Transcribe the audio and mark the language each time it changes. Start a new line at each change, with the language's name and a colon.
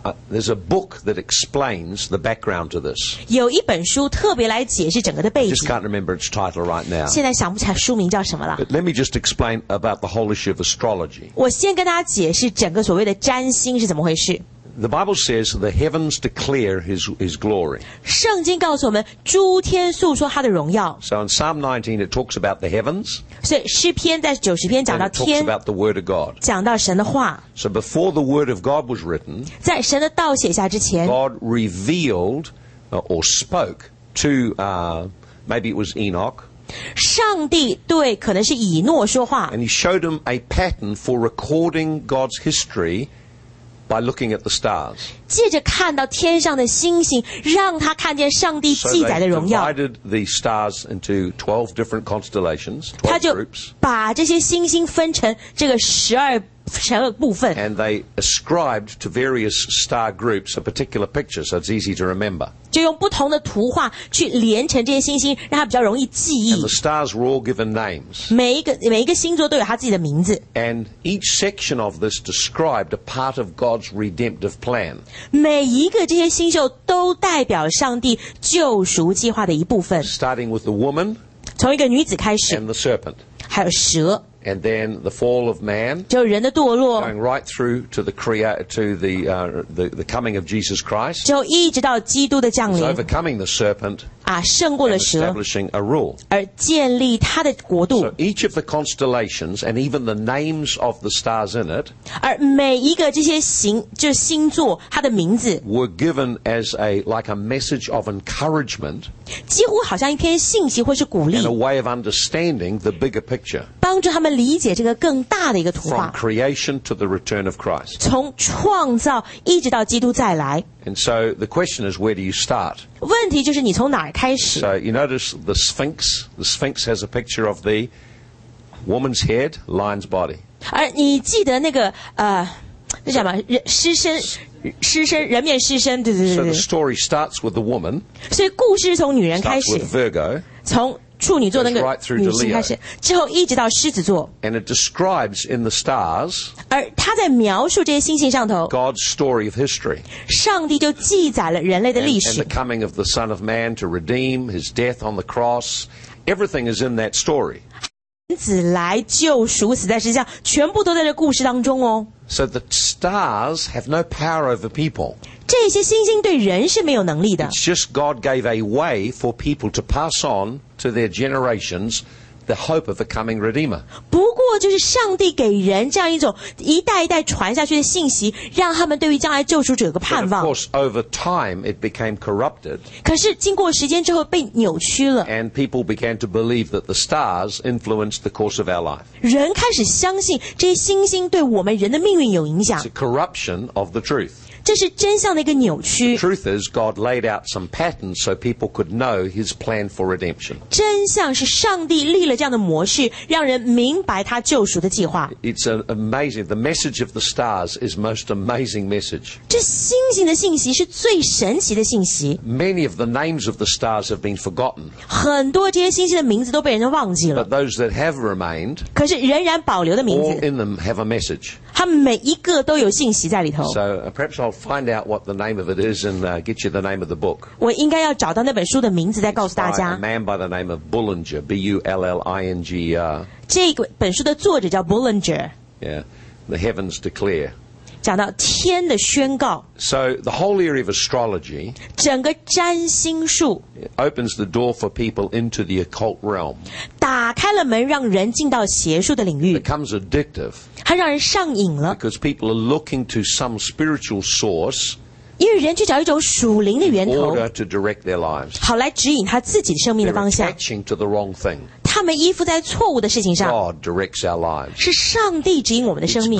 English: There's a book that explains the background to this.
Chinese: 有一本书特别来解释整个的背景。
English: I just can't remember its title right now.
Chinese: 现在想不起来书名叫什么了。
English: But let me just explain about the whole issue of astrology.
Chinese: 我先跟大家解释整个所谓的占星是怎么回事。
English: The Bible says the heavens declare his glory.
Chinese: 圣经告诉我们诸天诉说他的荣耀。
English: So in Psalm 19 it talks about the heavens.
Chinese: 所以诗篇在九十篇讲到天。
English: And it talks about the word of God.
Chinese: 讲到神的话。
English: So before the word of God was written,
Chinese: 在神的道写下之前，
English: God revealed or spoke to, maybe it was Enoch.
Chinese: 上帝对可能是以诺说话。
English: And he showed him a pattern for recording God's history by looking at the stars.
Chinese: 借着看到天上的星星，让他看见上帝记载的荣耀。
English: So they divided the stars into 12 different constellations, 12 groups.
Chinese: 他就把这些星星分成这个12部分。
English: And they ascribed to various star groups a particular picture, so it's easy to remember.
Chinese: 就用不同的图画去连成这些星星，让它比较容易记忆。
English: And the stars were all given names.
Chinese: 每一个星座都有它自己的名字。
English: And each section of this described a part of God's redemptive plan.
Chinese: 每一个这些星宿都代表上帝救赎计划的一部分。
English: Starting with the woman.
Chinese: 从一个女子开始。
English: And the serpent.
Chinese: 还有蛇。
English: And then the fall of man,
Chinese: 就人的堕落，
English: going right through to the coming of Jesus Christ,
Chinese: 就一直到基督的降临，
English: overcoming the serpent,
Chinese: 啊，胜过了蛇，
English: establishing a rule,
Chinese: 而建立他的国度。
English: So each of the constellations and even the names of the stars in it,
Chinese: 而每一个这些行就是星座，它的名字
English: were given as a like a message of encouragement,
Chinese: 几乎好像一篇信息或是鼓励，
English: and a way of understanding the bigger picture,
Chinese: 帮助他们理解这个更大的一个图画。
English: From creation to the return of Christ,
Chinese: 从创造一直到基督再来。
English: And so the question is, where do you start?
Chinese: 问题就是你从哪儿开始？
English: So you notice the Sphinx. The Sphinx has a picture of the woman's head, lion's body.
Chinese: 而你记得那个那叫什么？狮身。狮身人面狮身，对对对。
English: So the story starts with the woman.
Chinese: 所以故事是从女人开始。
English: Starts with Virgo.
Chinese: 从处女座那个女性开始，之后一直到狮子座。
English: And it describes in the stars.
Chinese: 而他在描述这些星星上头。
English: God's story of history.
Chinese: 上帝就记载了人类的历史。
English: And the coming of the Son of Man to redeem, his death on the cross. Everything is in that story.
Chinese: 人子来救赎死在十字架，全部都在这故事当中哦。
English: So the stars have no power over people.
Chinese: 这些星星对人是没有能力的。
English: It's just God gave a way for people to pass on to their generations the hope of the coming Redeemer.
Chinese: 不过就是上帝给人这样一种一代一代传下去的信息，让他们对于将来救赎者有个盼望。
English: But of course, over time, it became corrupted.
Chinese: 可是经过时间之后被扭曲了。
English: And people began to believe that the stars influenced the course of our life.
Chinese: 人开始相信这些星星对我们人的命运有影响。
English: It's a corruption of the truth.
Chinese: 这是真相的一个扭曲。
English: The truth is, God laid out some patterns so people could know His plan for redemption.
Chinese: 真相是上帝立了这样的模式，让人明白他救赎的计划。
English: It's amazing. The message of the stars is most amazing message.
Chinese: 这星星的信息是最神奇的信息。
English: Many of the names of the stars have been forgotten.
Chinese: 很多这些星星的名字都被人忘记了。
English: But those that have remained,
Chinese: 可是仍然保留的名字，
English: all in them have a message.
Chinese: 他每一个都有信息在里头。
English: So perhaps I'll find out what the name of it is and get you the name of the book.
Chinese: 我应该要找到那本书的名字再告诉大家。
English: A man by the name of Bullinger, B-U-L-L-I-N-G-E-R.
Chinese: 这个本书的作者叫 Bullinger.
English: Yeah, the heavens declare.
Chinese: 讲到天的宣告。
English: So the whole area of astrology,
Chinese: 整个占星术，
English: opens the door for people into the occult realm.
Chinese: 打开了门让人进到邪术的领域。
English: Becomes addictive.
Chinese: 它让人上瘾了。
English: Because people are looking to some spiritual source.
Chinese: 因为人去找一种属灵的源头。
English: In order to direct their lives.
Chinese: 好来指引他自己生命的方向。
English: They're attaching to the wrong thing.
Chinese: 他们依附在错误的事情上。
English: God directs our lives.
Chinese: 是上帝指引我们的生命。